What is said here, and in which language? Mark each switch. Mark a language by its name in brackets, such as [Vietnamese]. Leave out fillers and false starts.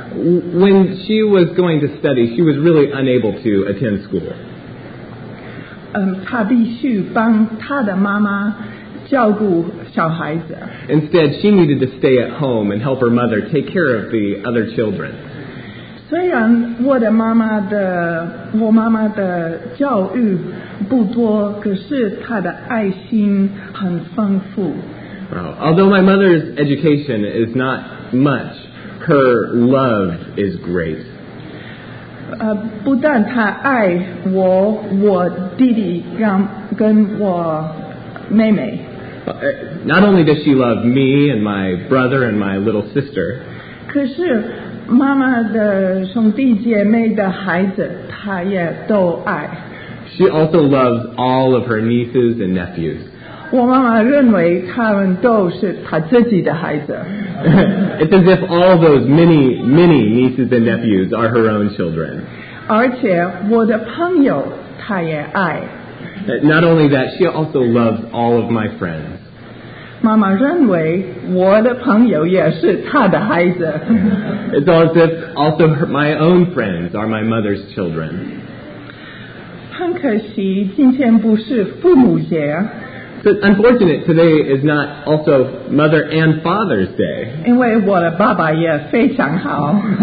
[English] When she was going to study, she was really unable to attend school. [Chinese] 他必须帮他的妈妈照顾小孩子。 [English] Instead, she needed to stay at home and help her mother take care of the other children. [Chinese] 虽然我妈妈的教育不多，可是她的爱心很丰富。 [English] Wow. Although my mother's education is not much, her love is great. [Chinese] 不但她爱我，我弟弟跟我妹妹。 [English] Not only does she love me and my brother and my little sister, [Chinese] 可是妈妈的兄弟姐妹的孩子她也都爱。 [English] She also loves all of her nieces and nephews. [Chinese] 我妈妈认为他们都是她自己的孩子。 [English] It's as if all those many, many nieces and nephews are her own children. [Chinese] 而且我的朋友她也爱。 [English] Not only that, she also loves all of my friends. [Chinese] 妈妈认为我的朋友也是她的孩子。 [English] It's as if also my own friends are my mother's children. [Chinese] 很可惜今天不是父母节。 [English] But unfortunate, today is not also Mother and Father's Day. [Chinese] 因为我的爸爸也非常好。